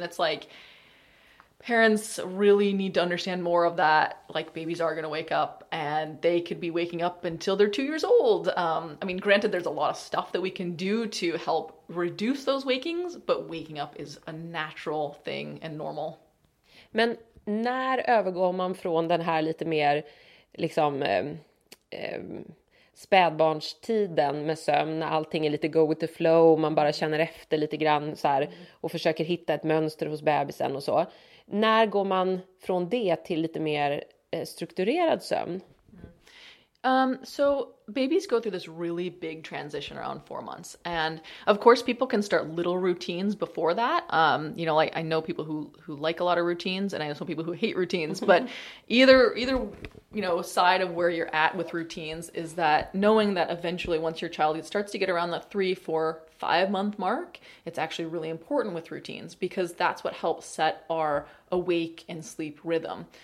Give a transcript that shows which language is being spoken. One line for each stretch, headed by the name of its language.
English: And it's like, parents really need to understand more of that. Like, babies are going to wake up and they could be waking up until they're 2 years old. I mean, granted, there's a lot of stuff that we can do to help reduce those wakings, but waking up is a natural thing and normal.
Swedish: Men när övergår man från den här lite mer liksom spädbarnstiden med sömn, när allting är lite
English: go with the flow,
Swedish: man bara känner efter lite grann så här, och försöker hitta ett mönster hos bebisen och så. När går man från det till lite mer strukturerad sömn?
English: So babies go through this really big transition around 4 months. And of course, people can start little routines before that. You know, like I know people who like a lot of routines, and I know some people who hate routines, but either you know, side of where you're at with routines is that knowing that eventually once your child starts to get around the 3, 4, 5 month mark, it's actually really important with routines because that's what helps set our awake and sleep rhythm.